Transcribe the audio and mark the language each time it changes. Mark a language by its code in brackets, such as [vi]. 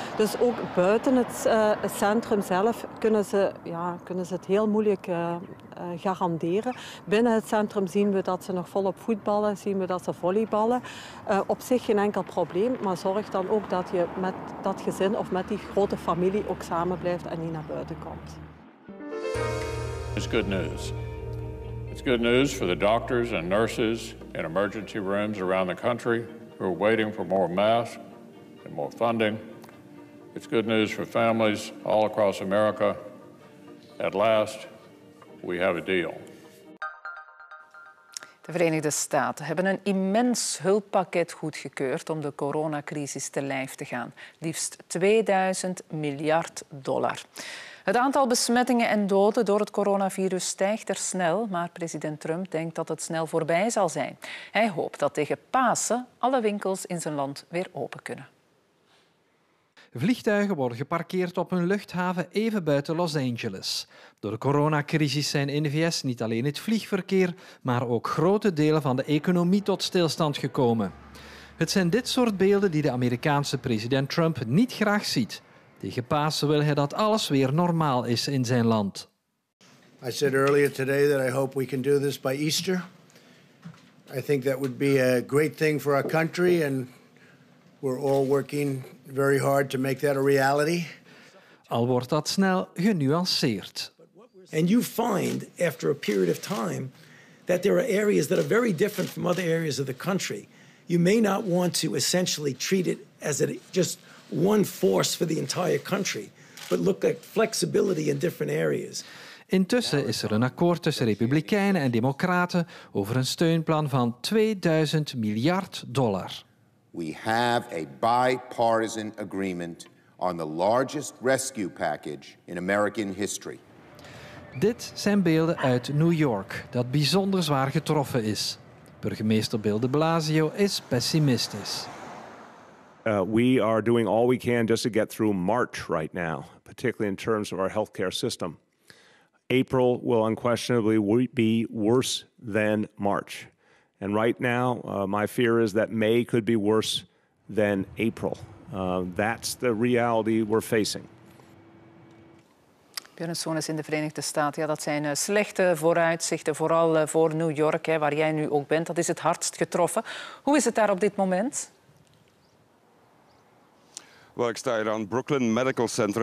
[nl] Dus ook buiten het centrum zelf kunnen ze het heel moeilijk garanderen. Binnen het centrum zien we dat ze nog volop voetballen, zien we dat ze volleyballen. Op zich geen enkel probleem, maar zorg dan ook dat je met dat gezin of met die grote familie ook samen blijft en niet naar buiten komt. [en] It's good news. It's good news for the doctors and nurses in emergency rooms around the country who are waiting for more masks and more funding. It's good news for families all across America. At last, we have a deal. [nl] De Verenigde Staten hebben een immens hulppakket goedgekeurd om de coronacrisis te lijf te gaan. Liefst $2,000 miljard. Het aantal besmettingen en doden door het coronavirus stijgt er snel, maar president Trump denkt dat het snel voorbij zal zijn. Hij hoopt dat tegen Pasen alle winkels in zijn land weer open kunnen. Vliegtuigen worden geparkeerd op een luchthaven even buiten Los Angeles. Door de coronacrisis zijn in de VS niet alleen het vliegverkeer, maar ook grote delen van de economie tot stilstand gekomen. Het zijn dit soort beelden die de Amerikaanse president Trump niet graag ziet. Tegen Pasen wil hij dat alles weer normaal is in zijn land. [en] I said earlier today that I hope we can do this by Easter. I think that would be a great thing for our country and we're all working very hard to make that a reality. [nl] Al wordt dat snel genuanceerd. [en] And you find after a period of time that there are areas that are very different from other areas of the country. You may not want to essentially treat it as it just one force for the entire country, but look at flexibility in different areas. [nl] Intussen is er een akkoord tussen Republikeinen en Democraten over een steunplan van $2,000 miljard. [en] We have a bipartisan agreement on the largest rescue package in American history. [nl] Dit zijn beelden uit New York, dat bijzonder zwaar getroffen is. Burgemeester Bill de Blasio is pessimistisch. [en] We are doing all we can just to get through March right now, particularly in terms of our healthcare system. April will unquestionably be worse than March. And right now, my fear is that May could be worse than April. That's the reality we're facing. [nl] Björnsson is in de Verenigde Staten. Ja, dat zijn slechte vooruitzichten, vooral voor New York, hè, waar jij nu ook bent. Dat is het hardst getroffen. Hoe is het daar op dit moment? Wel, ik sta hier aan Brooklyn Medical Center.